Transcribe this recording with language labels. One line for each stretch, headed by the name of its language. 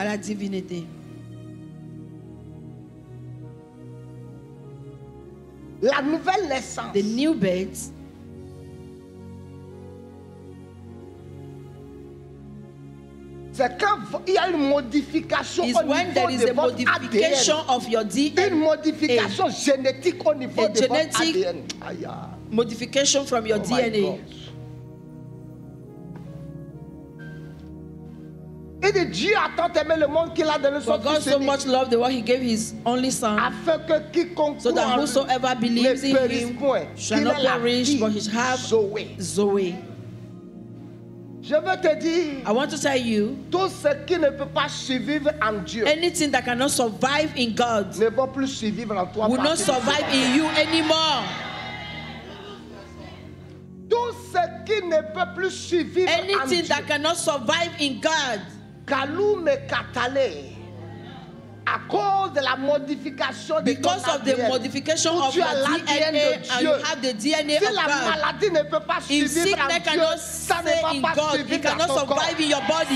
French: À la divinité. La nouvelle naissance.
English: The new birth.
French: C'est quand il y a une modification au niveau de votre ADN.
English: Is when there is a modification of your DNA.
French: Une modification génétique au niveau de votre ADN.
English: A genetic modification from your DNA.
French: Et de Dieu a tant aimé le monde qu'il a donné son fils.
English: God so much loved the world, he gave his only son.
French: Afin que quiconque
English: so that whosoever believes in him shall not perish, but he shall have Zoe.
French: Je veux te dire,
English: I want to tell you,
French: tout ce qui ne peut pas survivre en Dieu,
English: anything that cannot survive in God,
French: ne va plus survivre en toi.
English: Will not survive in you anymore. Tout ce qui ne peut plus survivre en Dieu, anything that cannot survive in God. Because of the modification of your DNA and you have the DNA
French: si
English: of God. If sickness cannot stay in God, it cannot survive in your body.